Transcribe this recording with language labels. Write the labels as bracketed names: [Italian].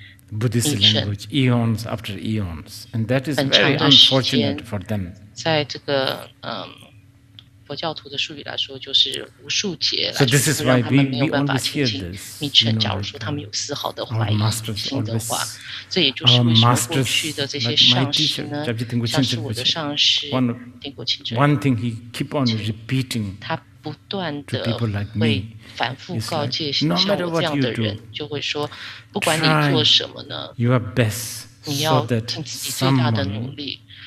[English] Buddhist language, eons after eons, and that is very unfortunate for them. [Chinese] 在这个佛教徒的术语来说，就是无数劫来。 [English] So this is why we always hear this. [Chinese] 假如说他们有丝毫的怀疑心的话，这也就是为什么过去的这些上师呢，像是我的上师定国清真。 [English] One thing he keep on repeating. [Chinese] 他不断的会反复告诫像我这样的人，就会说，不管你做什么呢，你要尽自己最大的努力，